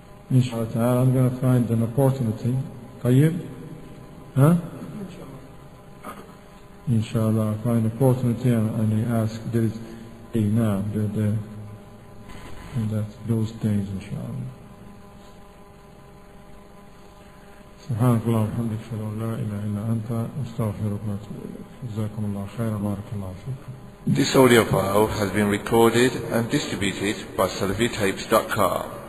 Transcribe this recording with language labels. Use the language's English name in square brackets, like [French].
[English] Inshallah ta'ala, I'm going to find an opportunity. Tayyib? Huh? Inshallah, I'll find an opportunity and I ask, there is a now, that's those things, inshallah. [Arabic] سبحانك اللهم وبحمدك اشهد ان لا اله الا انت استغفرك واتوب اليك جزاكم الله خيرا بارك الله فيكم. [English] This audio file has been recorded and distributed by salafitapes.com.